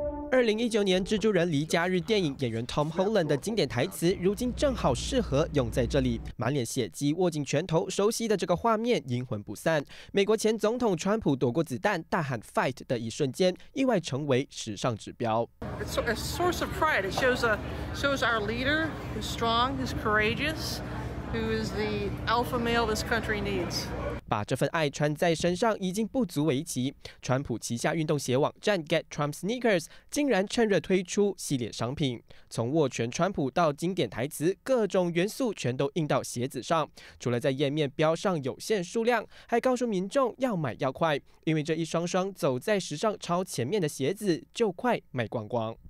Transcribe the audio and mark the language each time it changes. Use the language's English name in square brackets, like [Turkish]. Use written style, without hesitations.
[Chinese] 2019年《蜘蛛人离家日》电影演员 Tom Holland 的经典台词，如今正好适合用在这里。满脸血迹，握紧拳头，熟悉的这个画面阴魂不散。美国前总统川普躲过子弹，大喊 "Fight" 的一瞬间，意外成为时尚指标。 [English] It's a source of pride. It shows our leader who's strong, who's courageous, who is the alpha male this country needs. [Chinese] 把这份爱穿在身上已经不足为奇，川普旗下运动鞋网站 Get Trump Sneakers 竟然趁热推出系列商品，从握拳川普到经典台词，各种元素全都印到鞋子上，除了在页面标上有限数量，还告诉民众要买要快，因为这一双双走在时尚超前面的鞋子就快卖光光。